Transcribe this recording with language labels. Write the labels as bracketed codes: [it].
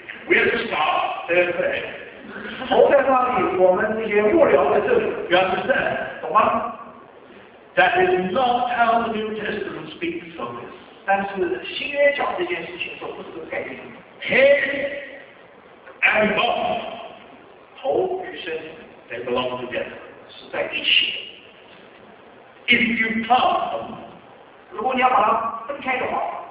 [en] We are the star, they are the head. [zh] 头在那里，我们这些幕僚在这里。 [en] You understand? [zh] 懂吗？ [en] That is not how the New Testament speaks of this. [zh] 但是新约讲这件事情都不是这个概念。 [en] Head and body, [zh] 头与身体, [en] they belong together. [zh] 是在一起。 [en] If you plant them, [zh] 如果你要把它分开的话，